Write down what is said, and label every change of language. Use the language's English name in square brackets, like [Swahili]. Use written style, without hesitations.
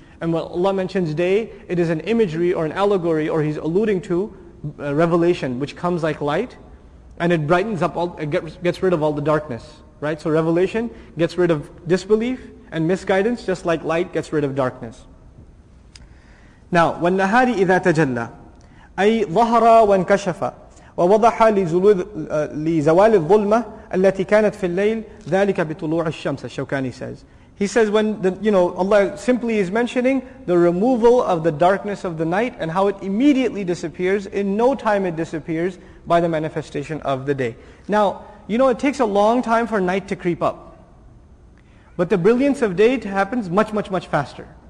[English] And when Allah mentions day, it is an imagery or an allegory, or He's alluding to revelation, which comes like light, and it brightens up, gets rid of all the darkness. Right? So revelation gets rid of disbelief and misguidance, just like light gets rid of darkness. [Arabic] Now, وَالنَّهَارِ إِذَا تَجَلَّى أَيْ ظَهَرَ وَانْكَشَفَ وَوَضَحَ لِزَوَالِ الظُّلْمَةِ الَّتِي كَانَتْ فِي اللَّيْلِ ذَلِكَ بِطُلُوعِ الشَّمْسِ, [English] Shawkani says. He says when, Allah simply is mentioning the removal of the darkness of the night and how it immediately disappears, in no time it disappears by the manifestation of the day. Now, it takes a long time for night to creep up. But the brilliance of day happens much, much, much faster.